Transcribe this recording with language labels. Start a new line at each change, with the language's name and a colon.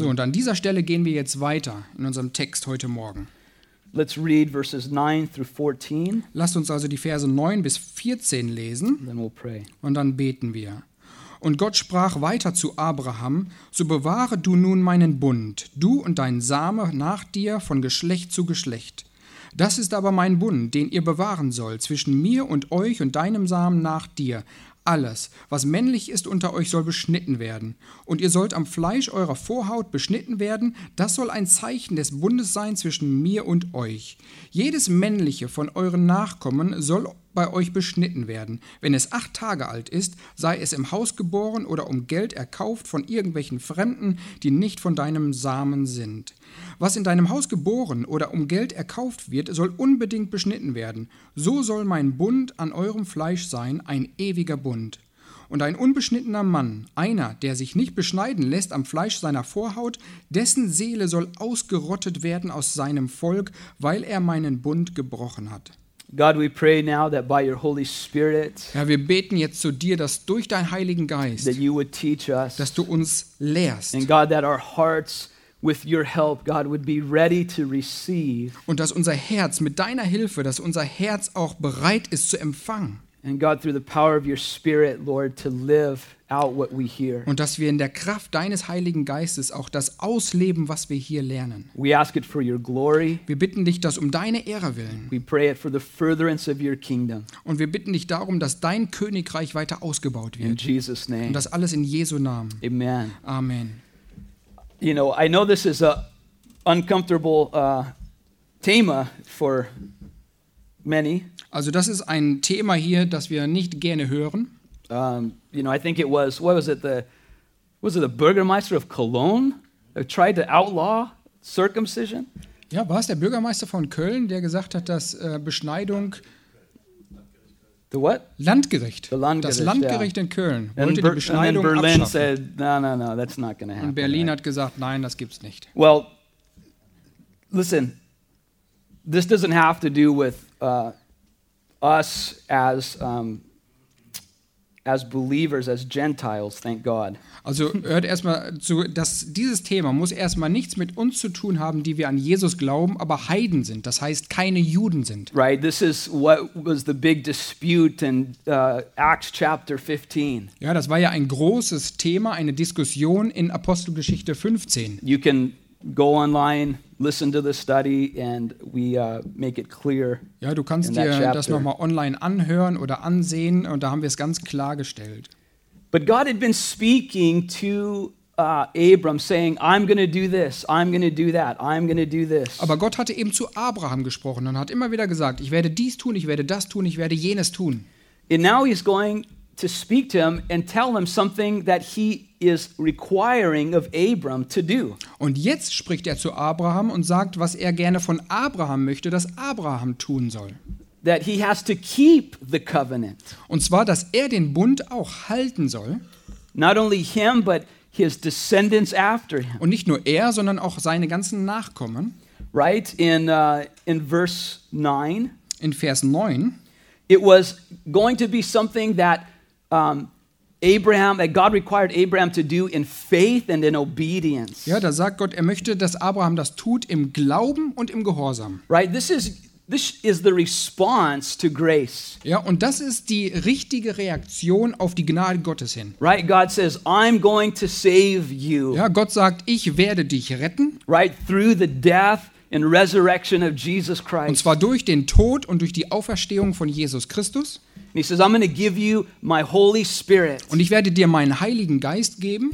German: So, und an dieser Stelle gehen wir jetzt weiter in unserem Text heute Morgen.
English: Let's read verses 9 through 14.
German: Lasst uns also die Verse 9 bis 14 lesen.
English: Then we'll pray.
German: Und dann beten wir. Und Gott sprach weiter zu Abraham, so bewahre du nun meinen Bund, du und dein Same nach dir von Geschlecht zu Geschlecht. Das ist aber mein Bund, den ihr bewahren sollt, zwischen mir und euch und deinem Samen nach dir. Alles, was männlich ist unter euch, soll beschnitten werden. Und ihr sollt am Fleisch eurer Vorhaut beschnitten werden. Das soll ein Zeichen des Bundes sein zwischen mir und euch. Jedes Männliche von euren Nachkommen soll bei euch beschnitten werden. Wenn es 8 Tage alt ist, sei es im Haus geboren oder um Geld erkauft von irgendwelchen Fremden, die nicht von deinem Samen sind. Was in deinem Haus geboren oder um Geld erkauft wird, soll unbedingt beschnitten werden. So soll mein Bund an eurem Fleisch sein, ein ewiger Bund. Und ein unbeschnittener Mann, einer, der sich nicht beschneiden lässt am Fleisch seiner Vorhaut, dessen Seele soll ausgerottet werden aus seinem Volk, weil er meinen Bund gebrochen hat.
English: God, we pray now that by your Holy Spirit.
German: Ja, wir beten jetzt zu dir, dass durch deinen Heiligen Geist,
English: that you would teach us,
German: dass du uns lehrst.
English: And God, that our hearts with your help, God, would be ready to receive.
German: Und dass unser Herz mit deiner Hilfe, dass unser Herz auch bereit ist zu empfangen.
English: And God, through the power of your Spirit, Lord, to live out what we hear.
German: Und dass wir in der Kraft deines Heiligen Geistes auch das ausleben, was wir hier lernen.
English: We ask it for your glory.
German: Wir bitten dich das um deine Ehre willen.
English: We pray it for the furtherance of your kingdom.
German: Und wir bitten dich darum, dass dein Königreich weiter ausgebaut wird.
English: In Jesus name.
German: Und das alles in Jesu Namen. Amen. Amen.
English: You know, I know this is a uncomfortable thema for many.
German: Also das ist ein Thema hier, das wir nicht gerne hören.
English: You know, I think it was, what was it, the Bürgermeister of Cologne who tried to outlaw circumcision?
German: Ja, war es der Bürgermeister von Köln, der gesagt hat, dass Beschneidung,
English: the what?
German: Landgericht.
English: The Landgericht.
German: Das Landgericht,
English: yeah.
German: In Köln wollte
English: and
German: die Beschneidung Berlin abschaffen.
English: Said, no, that's not gonna happen.
German: Und Berlin
English: right?
German: Hat gesagt, nein, das gibt's nicht.
English: Well, listen, this doesn't have to do with us as believers, as Gentiles, thank God.
German: Also hört erstmal zu, dass dieses Thema muss erstmal nichts mit uns zu tun haben, die wir an Jesus glauben, aber Heiden sind, das heißt keine Juden sind.
English: Right, this is what was the big dispute in Acts chapter 15.
German: Ja, das war ja ein großes Thema, eine Diskussion in Apostelgeschichte 15.
English: You can go online, listen to the study and we make it clear.
German: Ja, du kannst dir das noch mal online anhören oder ansehen und da haben wir es ganz klar gestellt.
English: But God had been speaking to Abram saying, I'm going to do this, I'm going to do that, I'm going to do this.
German: Aber Gott hatte eben zu Abraham gesprochen und hat immer wieder gesagt, ich werde dies tun, ich werde das tun, ich werde jenes tun.
English: And now he's going to speak to him and tell him something that he is requiring of Abram to do.
German: Und jetzt spricht er zu Abraham und sagt, was er gerne von Abraham möchte, dass Abraham tun soll.
English: that he has to keep the covenant.
German: Und zwar, dass er den Bund auch halten soll.
English: Not only him, but his descendants after him.
German: Und nicht nur er, sondern auch seine ganzen Nachkommen.
English: Right in verse 9.
German: In Vers 9.
English: It was going to be something that God required Abraham to do in faith and in obedience.
German: Ja, da sagt Gott, er möchte, dass Abraham das tut im Glauben und im Gehorsam.
English: Right, this is the response to grace.
German: Ja, und das ist die richtige Reaktion auf die Gnade Gottes hin.
English: Right, God says, I'm going to save you.
German: Ja, Gott sagt, ich werde dich retten.
English: Right, through the death and resurrection of Jesus Christ.
German: Und zwar durch den Tod und durch die Auferstehung von Jesus Christus.
English: And he says, I'm going to give you my Holy Spirit.
German: Und ich werde dir meinen Heiligen Geist geben.